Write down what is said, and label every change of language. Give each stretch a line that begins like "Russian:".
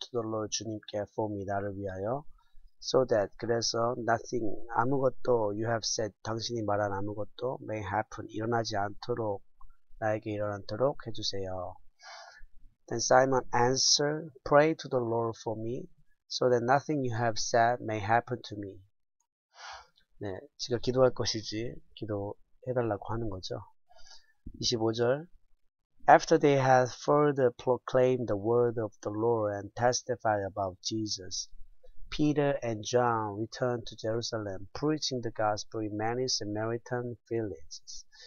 English: To the Lord,
Korean: 주님께
English: for me,
Korean: 나를 위하여.
English: So that,
Korean: 그래서
English: nothing,
Korean: 아무것도
English: you have said,
Korean: 당신이 말한 아무것도
English: may happen,
Korean: 일어나지 않도록, 나에게 일어나도록 해주세요.
English: Then Simon answered, pray to the Lord for me. So that nothing you have said may happen to me.
Korean: 네, 제가 기도할 것이지, 기도, 해달라고 하는 거죠. 25절
English: After they had further proclaimed the word of the Lord and testified about Jesus, Peter and John returned to Jerusalem, preaching the gospel in many Samaritan villages.